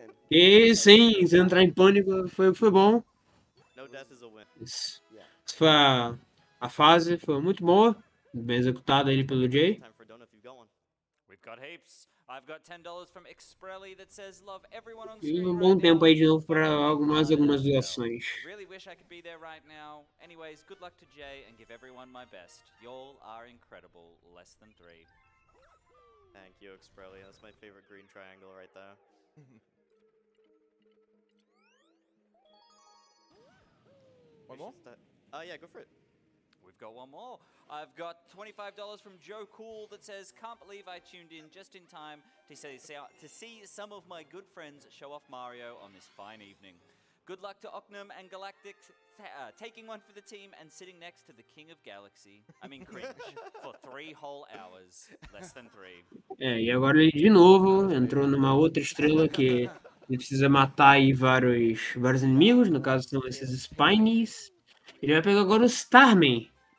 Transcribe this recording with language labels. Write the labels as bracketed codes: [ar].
[pt] E sim, sem entrar em pânico, foi bom. [en] No death is a win. [pt] Isso foi a fase, foi muito boa, bem executada ali pelo Jay. [en] We've got heaps. I've got $10 from Xprelli that says love everyone on stream. [pt] Um bom tempo aí de novo para algumas doações. [en] Really wish I could be there right now. Anyways, good luck to Jay and give everyone my best. Y'all are incredible. Less than three. Thank you, Xprelli. That's my favorite green triangle right there. One more? Yeah, go for it. We've got one more. I've got $25 from Joe Cool that says, can't believe I tuned in just in time to see some of my good friends show off Mario on this fine evening. Good luck to Ocknum and Galactic taking one for the team and sitting next to the King of Galaxy, I mean Cringe, for 3 whole hours, less than 3. [pt] E agora ele de novo entrou numa outra estrela que ele precisa matar aí vários inimigos, no caso são esses Spinies. Ele vai pegar agora o Starman.